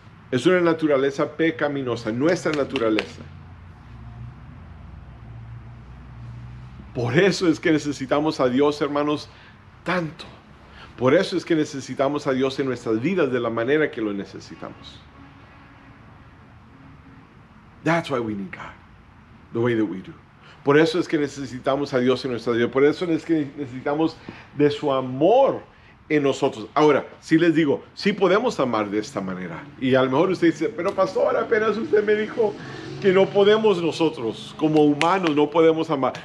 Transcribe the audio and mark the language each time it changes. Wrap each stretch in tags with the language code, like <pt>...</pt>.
<es>Es una naturaleza pecaminosa, nuestra naturaleza. Por eso es que necesitamos a Dios, hermanos, tanto. Por eso es que necesitamos a Dios en nuestras vidas de la manera que lo necesitamos.</es> <en>That's why we need God the way that we do.</en> <es>Por eso es que necesitamos a Dios en nuestra vida. Por eso es que necesitamos de su amor en nosotros. Ahora, sí les digo, sí podemos amar de esta manera. Y a lo mejor usted dice, pero pastor, apenas usted me dijo que no podemos nosotros, como humanos, no podemos amar.</es>